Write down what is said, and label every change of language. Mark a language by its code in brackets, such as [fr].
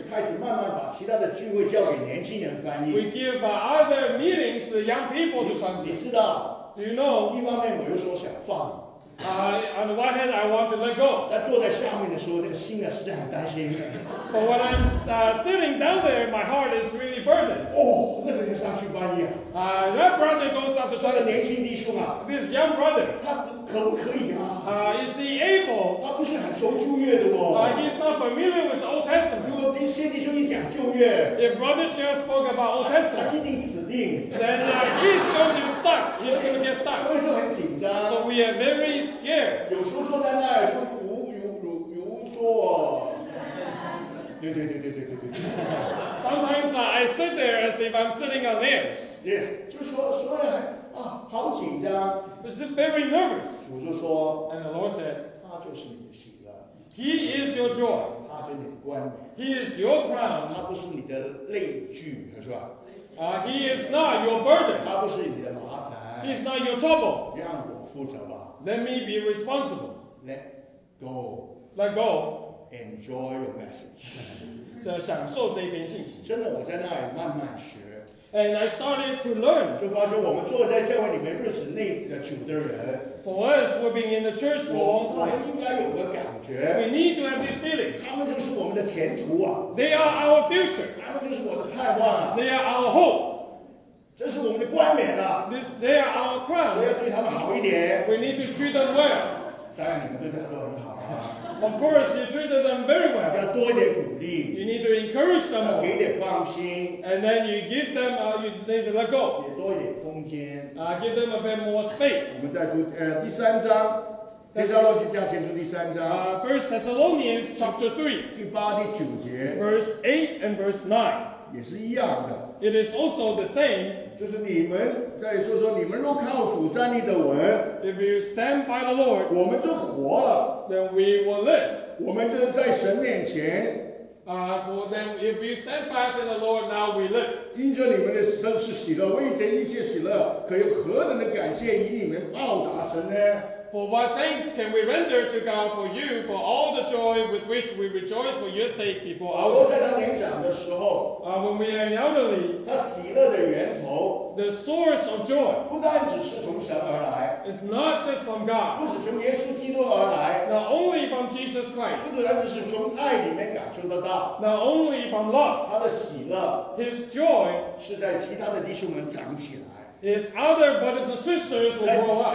[zh] 就开始慢慢把其他的聚会交给年轻人翻译。 [en] We give other meetings to young people to translate。 [zh] 你知道 [en] ？Do you know？ [zh] 一方面我又说想放。 [en] On the one hand, I want to let go。 [zh] 在坐在下面的时候，那个心啊实在很担心。 [en] But when I'm sitting down there, my heart is really burdened。 [zh] 哦，那个人上去翻译啊。 [en] That brother goes up to try。 [zh] 那个年轻弟兄啊。 [en] This young brother。 [zh] 他可不可以啊？ [en] Is he able？ [zh] 他不是很熟旧约的哦。 [en] He's not familiar with the Old Testament。 [zh] 如果这些弟兄一讲旧约 [en] ，If brother just spoke about Old Testament， [zh] 他一定死定。 [en] Then he's going to be stuck。 He's going to get stuck。 [zh] 所以说很紧张。 [en] So we are very scared。 [zh] 有时候坐在那儿就如坐。对。 [en] Sometimes I sit there as if I'm sitting on nails. [zh] Yes， 就说的啊，好紧张。 [en] This is very nervous。 [zh] 主就说。 [en] And the Lord said， [zh] 他就是你的喜乐。 [en] He is your joy。 [zh] 他就是你的冠冕。 [en] He is your crown。 [zh] 他不是你的累具，是吧？ [en] He is not your burden。 [zh] 他不是你的麻烦。 [en] He is not your trouble。 [zh] 让我负责吧。 [en] Let me be responsible。 Let go。 Let go。 Enjoy your message， [zh] 在享受这篇信息。真的，我在那里慢慢学。 [en] And I started to learn， [zh] 就发觉我们坐在教会里面日子久的人 [en] ，For us we've been in the church for long time， [zh] 我们应该有个感觉。 [en] We need to have this feeling， [zh] 他们就是我们的前途啊。 [en] They are our future， [zh] 他们就是我的盼望。 [en] They are our hope， [zh] 这是我们的冠冕啊。 [en] They are our crown， [zh] 我要对他们好一点。 [en] We need to treat them well， [zh] 当然你们对他们都很好。 [en] Of course, you treated them very well. [zh] 要多一点鼓励。 [en] You need to encourage them. [zh] 要给点放心。 [en] And then you give them, you need to let go. [zh] 也多一点空间。 [en] Give them a bit more space. [zh] 我们再读第三章，帖撒罗尼迦前书第三章。 [en] First Thessalonians chapter 3. [zh] 第八第九节。 [en] Verse 8 and verse 9. [zh] 也是一样的。 [en] It is also the same. [zh] 就是你们在说你们若靠主站立的稳。 [en] If you stand by the Lord. [zh] 我们就活了。 [en] Then we will live. [zh] 我们就在神面前。 [en] For them, if you stand fast in the Lord, now we live. [zh] 因着你们的生是喜乐，为这一切喜乐，可有何等的感谢与你们报答神呢？ [en] For what thanks can we render to God for you, for all the joy with which we rejoice for your sake before our [zh] Lord? 我在他年长的时候。 [en] When we are elderly. [zh] 他喜乐的源头。 [en] The source of joy [zh] 不单只是从神而来， [en] is not just from God， [zh] 不只从耶稣基督而来， [en] not only from Jesus Christ， [zh] 不单只是从爱里面感受得到， [en] not only from love， [zh] 他的喜乐， [en] his joy [zh] 是在其他的弟兄们长起来， [en] is other brothers and sisters will grow up，